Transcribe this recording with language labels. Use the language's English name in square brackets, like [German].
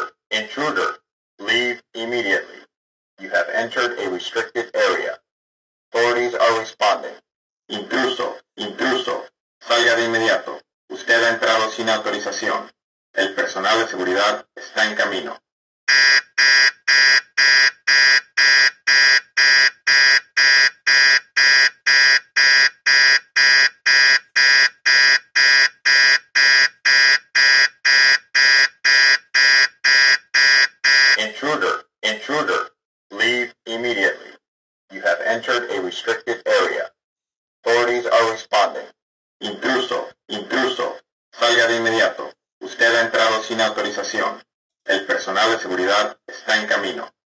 [English] Intruder, leave immediately. You have entered a restricted area. Authorities are responding. [Spanish] Intruso, intruso, salga de inmediato. Usted ha entrado sin autorización. El personal de seguridad está en camino. [English] Intruder, intruder, leave immediately. You have entered a restricted area. Authorities are responding. [Spanish] Intruso, intruso, salga de inmediato. Usted ha entrado sin autorización. El personal de seguridad está en camino.